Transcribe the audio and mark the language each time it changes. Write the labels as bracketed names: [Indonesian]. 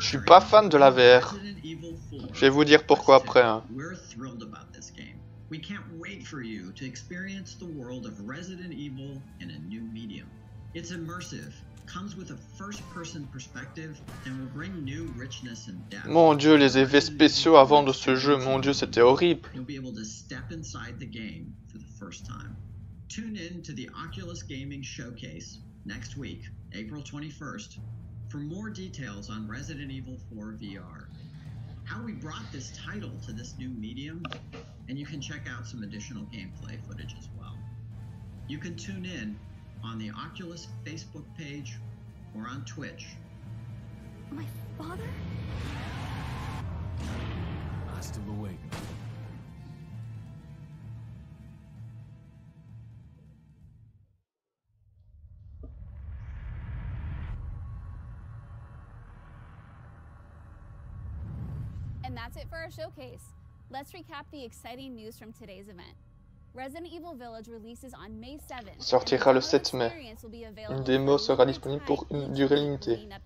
[French] Je suis pas fan de la VR. Je vais vous dire pourquoi après. [English] We're thrilled about this game. We can't wait for you to experience the world of Resident Evil in a new medium. It's immersive, comes with a first-person perspective, and will bring new richness and depth. [French] Mon Dieu, les effets spéciaux avant de ce jeu, mon Dieu, c'était horrible. [English] You'll be able to step inside the game for the first time. Tune in to the Oculus Gaming Showcase next week, April 21st, for more details on Resident Evil 4 VR. How we brought this title to this new medium, and you can check out some additional gameplay footage as well. You can tune in on the Oculus Facebook page or on Twitch. My father? I still awake. And that's it for our showcase. Let's recap the exciting news from today's event. Resident Evil Village releases on May 7th. [French] Sortira le 7 mai. Une démo sera disponible pour une durée limitée.